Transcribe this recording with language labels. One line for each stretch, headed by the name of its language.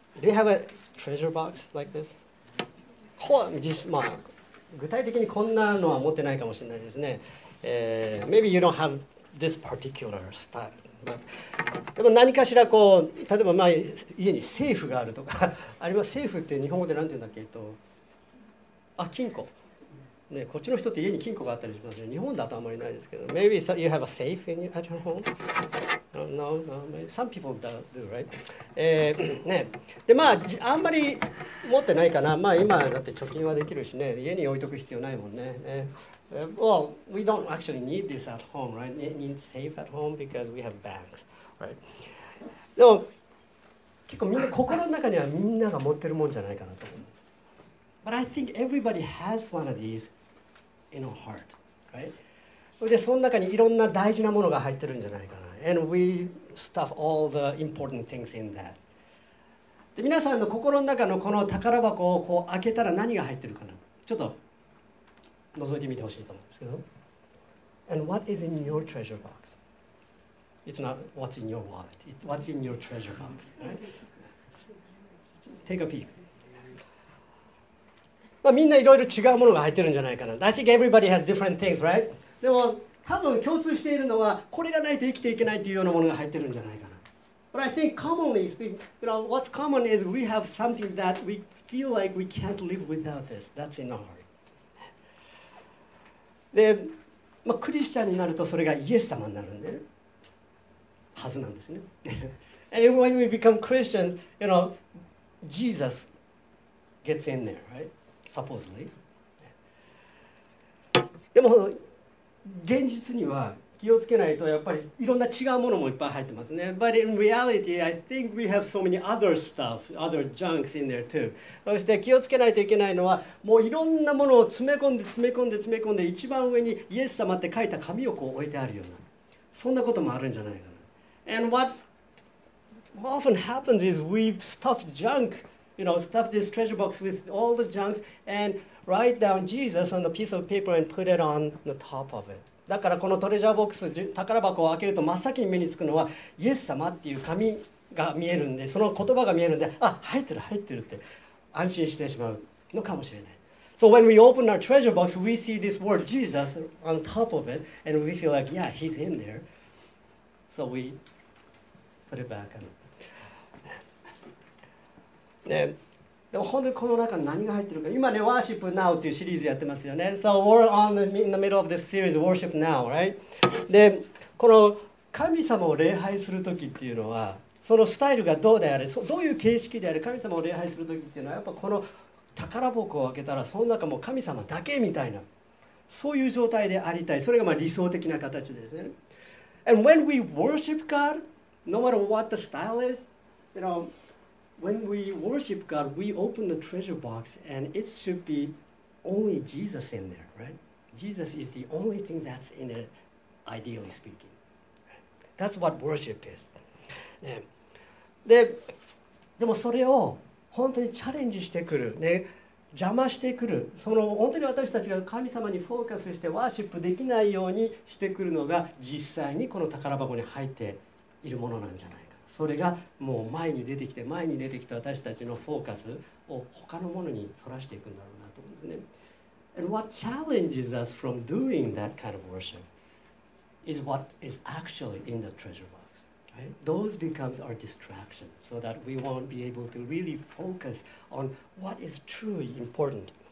English: Do you have a treasure box like this?
Japanese: まあ、具体的にこんなのは持ってないかもしれないですね。
English: Maybe you don't have this particular style.
Japanese: でも何かしらこう、例えばまあ家に財布があるとか、あるいは財布って日本語で何て言うんだっけ、あ、金庫。ね、こっちの人って家に金庫があったりしますね。日本だとあまりないですけど、
English: maybe you have a safe in your, at your home? No, some people do, right?
Japanese: ね、でまああんまり持ってないかな。まあ今だって貯金はできるしね、家に置いとく必要ないもんね。
English: Well, we don't actually need this at home, right? Need safe at home because we have banks, right?
Japanese: でも結構みんな心の中にはみんなが持ってるもんじゃないかなと思います。
English: But I think everybody has one of these in our heart, right?
Japanese: で、その中にいろんな大事なものが入ってるんじゃないかな。
English: And we stuff all the important things in that.
Japanese: で、皆さんの心の中のこの宝箱をこう開けたら何が入ってるかな。ちょっと覗いてみてほしいと思うんですけど。
English: And what is in your treasure box? It's not what's in your wallet. It's what's in your treasure box, right? Take a peek.
Japanese: まあ、みんないろいろ違うものが入ってるんじゃないかな。
English: I think everybody has different things, right?
Japanese: でも多分共通しているのはこれがないと生きていけないというようなものが入ってるんじゃないかな。
English: But I think commonly speaking, you know, what's common is we have something that we feel like we can't live without this. That's in our heart.
Japanese: で、まあ、クリスチャンになるとそれがイエス様になるんで、はずなんですね。
English: And when we become Christians, you know, Jesus gets in there, right? Supposedly.
Japanese: でも現実には気をつけないとやっぱりいろんな違うものもいっぱい入ってますね。
English: But in reality, I think we have so many other stuff, other junks in there too.
Japanese: そして気をつけないといけないのはもういろんなものを詰め込んで詰め込んで詰め込んで一番上にイエス様って書いた紙をこう置いてあるような、そんなこともあるんじゃないかな。
English: And what often happens is we stuff junkYou know, stuff this treasure box with all the junks and write down Jesus on the piece of paper and put it on the top of it.
Japanese: だからこのトレジャーボックス、宝箱を開けると真っ先に目につくのはイエス様っていう紙が見えるんで、その言葉が見えるんで、あ、入ってる入ってるって安心してしまうのかもしれない。
English: So when we open our treasure box, we see this word Jesus on top of it and we feel like, yeah, he's in there. So we put it back on.
Japanese: ね、でも本当にこの中に何が入ってるか、今ね、Worship Now っていうシリーズやってますよね。
English: So we're on the, in the middle of this series, Worship Now, right?
Japanese: で、この神様を礼拝するときっていうのは、そのスタイルがどうであれ、どういう形式であれ、神様を礼拝するときっていうのは、やっぱこの宝箱を開けたら、その中も神様だけみたいな、そういう状態でありたい。それがまあ理想的な形ですね。
English: And when we worship God, no matter what the style is, you know,When we worship God, we open the treasure box and it should be only Jesus in there, right? Jesus is the only thing that's in it, ideally speaking. That's what worship is.、
Japanese: ね、で、でもそれを本当にチャレンジしてくる、ね、邪魔してくる、その本当に私たちが神様にフォーカスしてワーシップできないようにしてくるのが実際にこの宝箱に入っているものなんじゃない。それがもう前に出てきて、前に出てきた私たちのフォーカスを他のものにそらしていくんだろうなと思うんですね。
English: And what challenges us from doing that kind of worship is what is actually in the treasure box.、Right? Those becomes our distraction so that we won't be able to really focus on what is truly important.